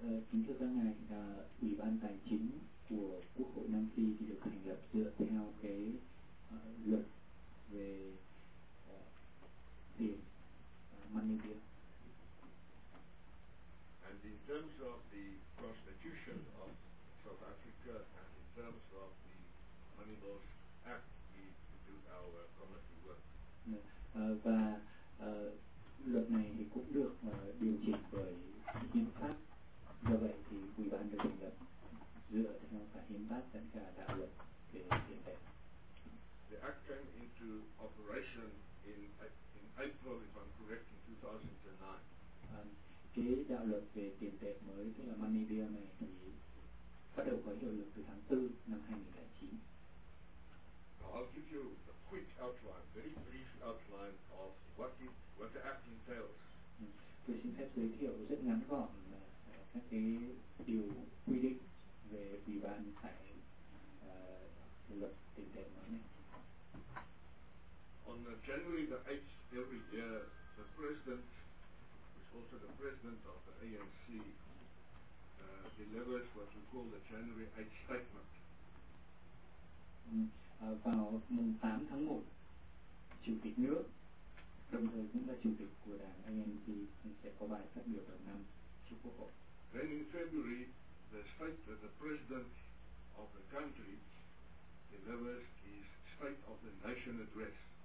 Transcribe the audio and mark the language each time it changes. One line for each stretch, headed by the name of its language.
Vietnamese: Kính thưa các ngài, Ủy ban Tài chính của Quốc hội Nam Phi thì được thành lập dựa theo cái luật về tiền, money bill.
English: And in terms of the constitution of South Africa and in terms of the money bills act, we do our committee work.
Vietnamese: Và luật này thì cũng được điều chỉnh bởi hiến pháp. Do vậy thì ủy ban được thành lập dựa theo cả hiến pháp lẫn cả đạo luật để hiện đại.
English: The act came into operation in April, if I'm correct, in 2009.
Vietnamese: Cái đạo luật về tiền tệ mới, tức là money bill này, thì bắt đầu có hiệu lực từ tháng 4 năm 2009.
English: I'll give you a quick outline, very brief outline of what the act entails.
Vietnamese: Tôi xin phép giới thiệu rất ngắn gọn các cái điều quy định về ủy ban tại luật tiền tệ mới này.
English: On January the 8th every year, the president, who is also the president of the ANC, delivers what we call the January 8th statement.
Vietnamese: Vào mùng 8 tháng 1, chủ tịch nước, đồng thời cũng là chủ tịch của đảng ANC, sẽ có bài phát biểu đầu năm trước Quốc hội.
English: Then in February, the state of the president of the country delivers his state of the nation address.